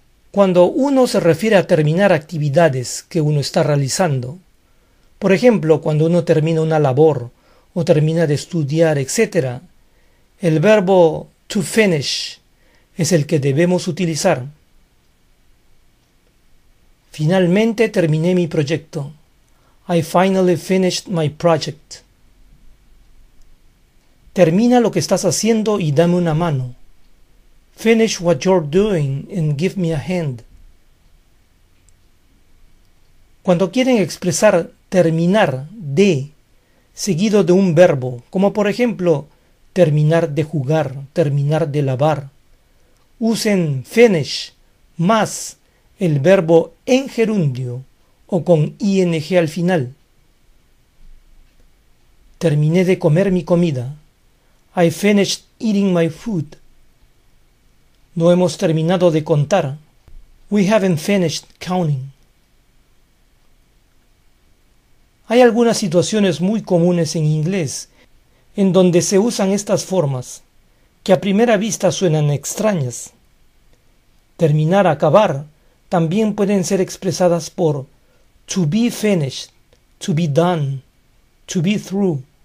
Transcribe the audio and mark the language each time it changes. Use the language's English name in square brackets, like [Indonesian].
[Spanish] Cuando uno se refiere a terminar actividades que uno está realizando, por ejemplo, cuando uno termina una labor o termina de estudiar, etc., el verbo to finish es el que debemos utilizar. Finalmente terminé mi proyecto. [English] I finally finished my project. [Spanish] Termina lo que estás haciendo y dame una mano. [English] Finish what you're doing and give me a hand. [Spanish] Cuando quieren expresar terminar de seguido de un verbo, como por ejemplo, terminar de jugar, terminar de lavar. Usen finish más el verbo en gerundio o con ing al final. Terminé de comer mi comida. [English] I finished eating my food. [Spanish] No hemos terminado de contar. [English] We haven't finished counting. [Spanish] Hay algunas situaciones muy comunes en inglés en donde se usan estas formas, que a primera vista suenan extrañas. Terminar, acabar, también pueden ser expresadas por [English] to be finished, to be done, to be through.